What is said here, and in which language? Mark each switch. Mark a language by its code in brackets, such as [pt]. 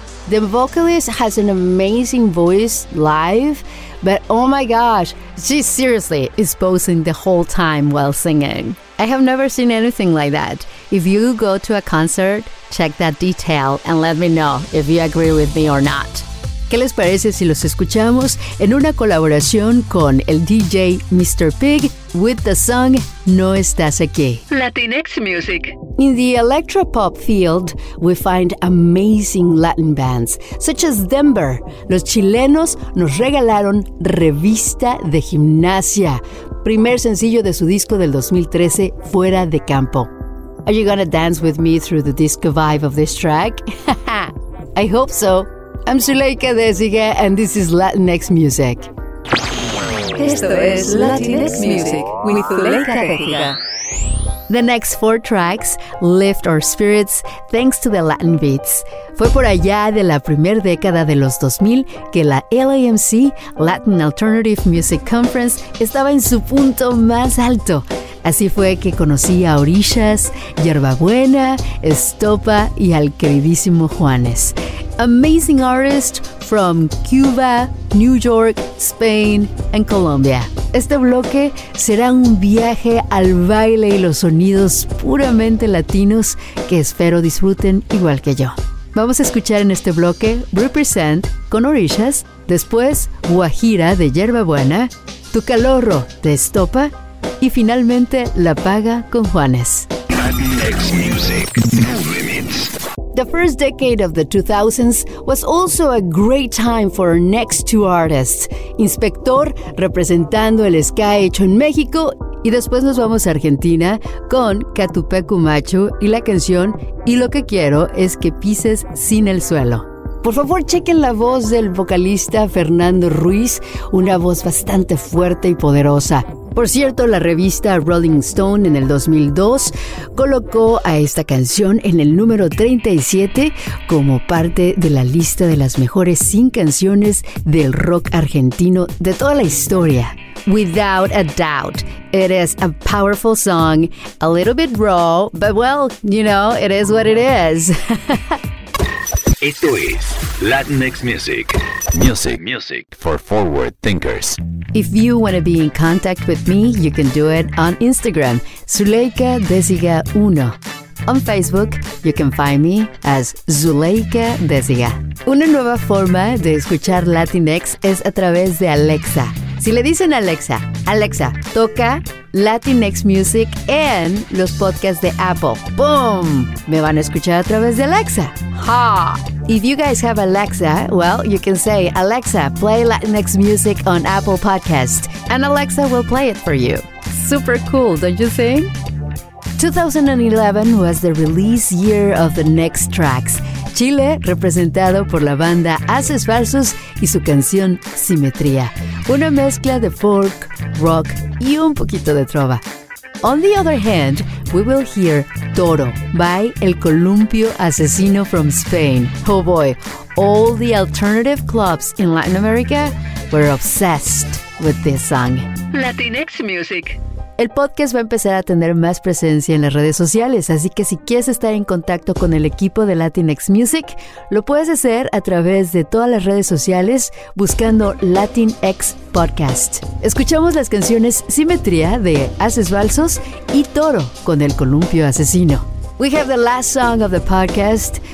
[en] The vocalist has an amazing voice live, but oh my gosh, she seriously is posing the whole time while singing. I have never seen anything like that. If you go to a concert, check that detail and let me know if you agree with me or not. [es] ¿Qué les parece si los escuchamos en una colaboración con el DJ Mr. [en] Pig with the song No Estás Aquí? Latinx Music. In the electropop field, we find amazing Latin bands, such as Denver. [es] Los chilenos nos regalaron Revista de Gimnasia, primer sencillo de su disco del 2013, Fuera de Campo. [en] Are you gonna dance with me through the disco vibe of this track? I hope so. I'm Zuleika de Siga, and this is Latinx Music. [es] Esto es Latinx Music with Zuleika de Siga. [en] The next four tracks lift our spirits thanks to the Latin beats. [es] Fue por allá de la primer década de los 2000 que la LAMC, Latin Alternative Music Conference, estaba en su punto más alto. Así fue que conocí a Orishas, Yerbabuena, Estopa y al queridísimo Juanes. [en] Amazing artists from Cuba, New York, Spain and Colombia. [es] Este bloque será un viaje al baile y los sonidos puramente latinos que espero disfruten igual que yo. Vamos a escuchar en este bloque Represent con Orishas, después Guajira de Hierbabuena, Tu Calorro de Estopa y finalmente La Paga con Juanes. [en] The first decade of the 2000s was also a great time for our next two artists. [es] Inspector, representando el ska hecho en México. Y después nos vamos a Argentina con Catupecu Machu y la canción Y lo que quiero es que pises sin el suelo. Por favor, chequen la voz del vocalista Fernando Ruiz, una voz bastante fuerte y poderosa. Por cierto, la revista Rolling Stone en el 2002 colocó a esta canción en el número 37 como parte de la lista de las mejores 100 canciones del rock argentino de toda la historia. [en] Without a doubt, it is a powerful song, a little bit raw, but well, you know, it is what it is. [es] Esto es Latinx Music. [en] Music for forward thinkers. If you want to be in contact with me, you can do it on Instagram, Zuleika Desiga 1. On Facebook, you can find me as Zuleika Desiga. [es] Una nueva forma de escuchar Latinx es a través de Alexa. Si le dicen a Alexa, Alexa, toca Latinx Music en los podcasts de Apple. ¡Boom! Me van a escuchar a través de Alexa. ¡Ha! [en] If you guys have Alexa, well, you can say, Alexa, play Latinx Music on Apple Podcasts. And Alexa will play it for you. Super cool, don't you think? 2011 was the release year of the next tracks. [es] Chile, representado por la banda Haces Falsos y su canción Simetría. Una mezcla de folk, rock y un poquito de trova. [en] On the other hand, we will hear Toro by El Columpio Asesino from Spain. Oh boy, all the alternative clubs in Latin America were obsessed with this song. Latinx Music. [es] El podcast va a empezar a tener más presencia en las redes sociales, así que si quieres estar en contacto con el equipo de Latinx Music, lo puedes hacer a través de todas las redes sociales buscando Latinx Podcast. Escuchamos las canciones Simetría de Haces Falsos y Toro con El Columpio Asesino. [en] We have the last song of the podcast.